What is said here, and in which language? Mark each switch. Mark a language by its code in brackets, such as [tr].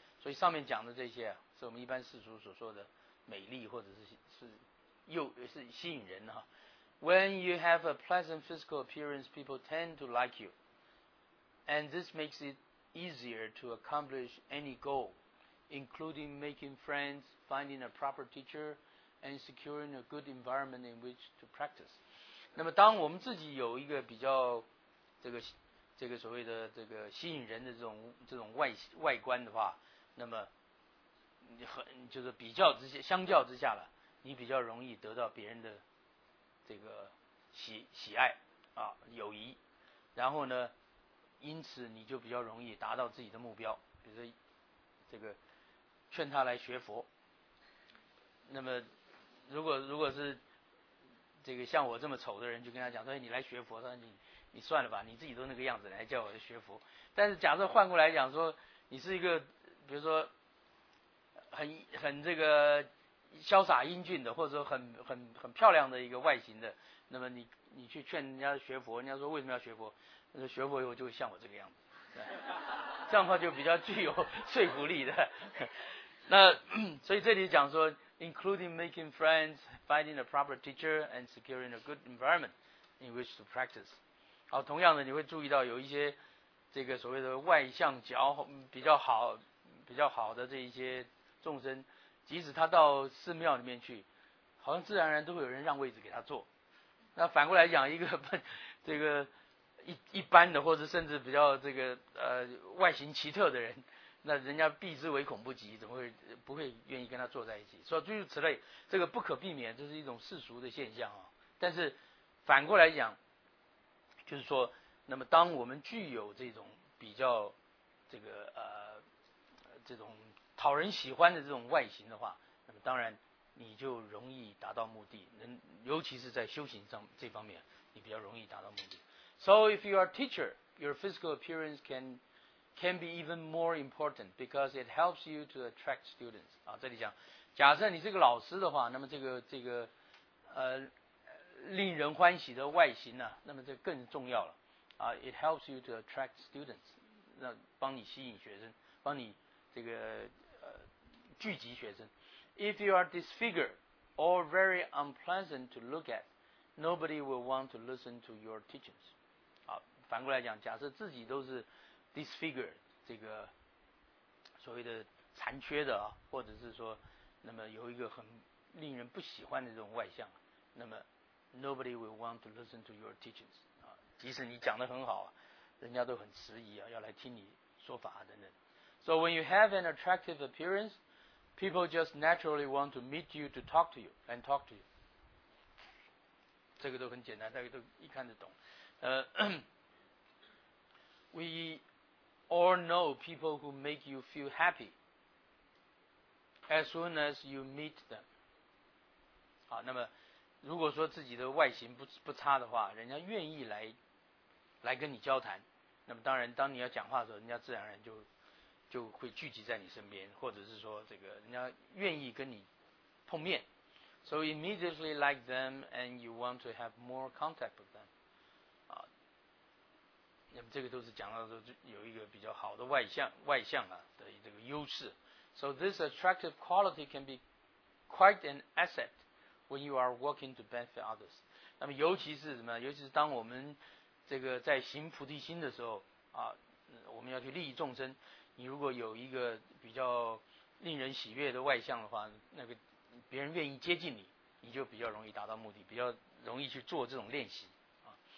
[zh] 所以上面讲的这些、啊、是我们一般世俗所说的美丽或者是吸引人、啊、 [en] When you have a pleasant physical appearance, people tend to like youAnd this makes it easier to accomplish any goal, including making friends, finding a proper teacher, and securing a good environment in which to practice. [zh] 那么当我们自己有一个比较这个所谓的这个吸引人的这种外观的话，那么就是比较之下，相较之下了，你比较容易得到别人的这个喜爱啊，友谊，然后呢，因此你就比较容易达到自己的目标，比如说这个劝他来学佛。那么如果是这个像我这么丑的人，就跟他讲说，哎，你来学佛，他说你算了吧，你自己都那个样子，来叫我学佛。但是假设换过来讲说，你是一个比如说很这个潇洒英俊的，或者说很漂亮的一个外形的，那么你去劝人家学佛，人家说为什么要学佛？他说学佛以后就会像我这个样子，这样的话就比较具有说服力的。那所以这里讲说 [en] ，including making friends, finding a proper teacher, and securing a good environment in which to practice。 [zh] 好，同样的，你会注意到有一些这个所谓的外向角比较好的这一些众生，即使他到寺庙里面去，好像自然而然都会有人让位置给他坐。那反过来讲，一个这个一般的，或者甚至比较这个外形奇特的人，那人家避之唯恐不及，怎么会不会愿意跟他坐在一起？所以诸如此类，这个不可避免，这是一种世俗的现象啊。但是反过来讲，就是说，那么当我们具有这种比较这个这种讨人喜欢的这种外形的话，那么当然你就容易达到目的，尤其是在修行上这方面，你比较容易达到目的。 [en] So if you are a teacher, your physical appearance can be even more important because it helps you to attract students. [zh] 啊，这里讲，假设你是个老师的话，那么这个令人欢喜的外形呢，那么这更重要了。 [en] It helps you to attract students， [zh] 那帮你吸引学生，帮你这个聚集学生。 [en] If you are disfigured or very unpleasant to look at, nobody will want to listen to your teachings。 [zh] 啊，反过来讲，假设自己都是 disfigured， 这个所谓的残缺的啊，或者是说，那么有一个很令人不喜欢的这种外向，那么 [en] Nobody will want to listen to your teachings. [zh] 即使你讲得很好，人家都很迟疑啊，要来听你说法啊等等。 [en] So when you have an attractive appearance, people just naturally want to meet you to talk to you and talk to you. [zh] 这个都很简单，大家都一看得懂。 [en] We all know people who make you feel happy as soon as you meet them. [zh] 好，那么如果说自己的外形不差的话，人家愿意来跟你交谈，那么当然当你要讲话的时候，人家自然而然就会聚集在你身边，或者是说这个人家愿意跟你碰面。 [en] So immediately like them and you want to have more contact with them。 [zh] 啊，那么这个都是讲到说有一个比较好的外向啊的这个优势。 [en] So this attractive quality can be quite an assetWhen you are working to benefit others, [zh] 那么尤其是什么？尤其是当我们这个在行菩提心的时候啊，我们要去利益众生。你如果有一个比较令人喜悦的外向的话，那个别人愿意接近你，你就比较容易达到目的，比较容易去做这种练习啊。